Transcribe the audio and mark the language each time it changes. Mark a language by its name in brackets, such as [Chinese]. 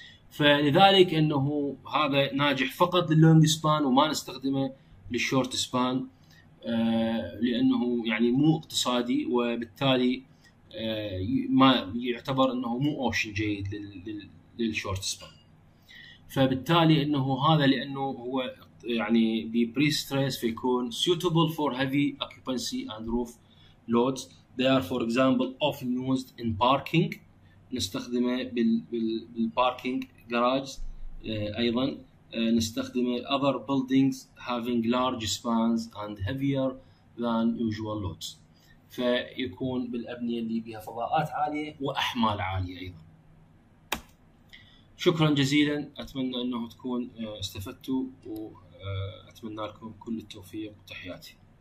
[Arabic] فلذلك أنه هذا ناجح فقط لللونج سبان وما نستخدمه للشورت سبان، لأنه يعني مو اقتصادي، وبالتالي ما يعتبر أنه مو أوبشن جيد للشورت سبان. فبالتالي انه هذا لانه هو يعني بري ستريس فيكون [English] suitable for heavy occupancy and roof loads. They are for example often used in parking، [Arabic] نستخدمه بالباركينج جراج. ايضا نستخدمه [English] other buildings having large spans and heavier than usual loads، [Arabic] فيكون بالابنية اللي بها فضاءات عالية واحمال عالية ايضا. شكرا جزيلا، اتمنى انه تكون استفدتوا، واتمنى لكم كل التوفيق وتحياتي.